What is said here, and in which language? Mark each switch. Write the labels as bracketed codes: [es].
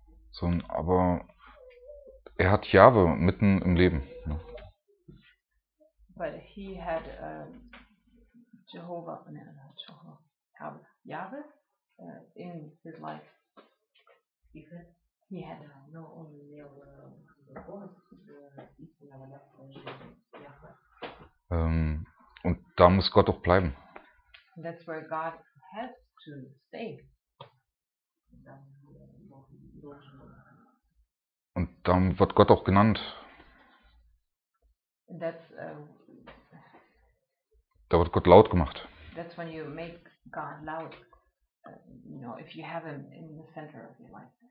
[de] Sondern aber er hat Jahwe mitten im Leben. [en] But he had Jehovah, no, not Jehovah, Jahwe in his life. He had not only Jehovah. [de] Und da muss Gott auch bleiben. [en] And that's where God has to stay. [de] Und dann wird Gott auch genannt. [en] That's, [de] da wird Gott laut gemacht. [en] That's when you make God loud. You know, if you have him in the center of your life.